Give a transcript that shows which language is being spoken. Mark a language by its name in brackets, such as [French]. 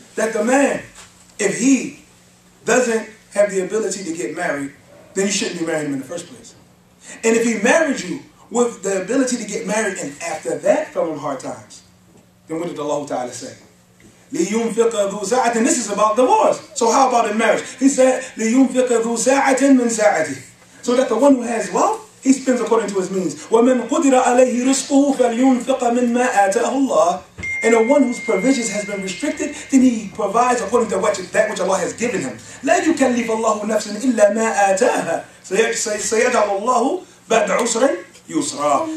[English] That the man, if he doesn't have the ability to get married, then you shouldn't be marrying him in the first place. And if he married you with the ability to get married and after that fell on hard times, then what did Allah Ta'ala say? [Arabic] لِيُنْفِقَ ذُو سَعَةٍ. [English] This is about divorce. So how about in marriage? He said, [Arabic] لِيُنْفِقَ ذُو سَعَةٍ مِنْ سَعَةٍ. [English] So that the one who has wealth, he spends according to his means. [Arabic] وَمَنْ قُدِرَ عَلَيْهِ رِزْقُهُ فَلْيُنْفِقَ مِمَّا آتَاهُ اللَّهُ. [English] And the one whose provisions has been restricted, then he provides according to that which Allah has given him. [Arabic] لَا يُكَلِّفَ اللَّهُ نَفْسٍ إِلَّا مَا آتَاهَا. سَيَجْعَلُ اللَّهُ بَعْدَ عُسْرٍ يُسْرًا.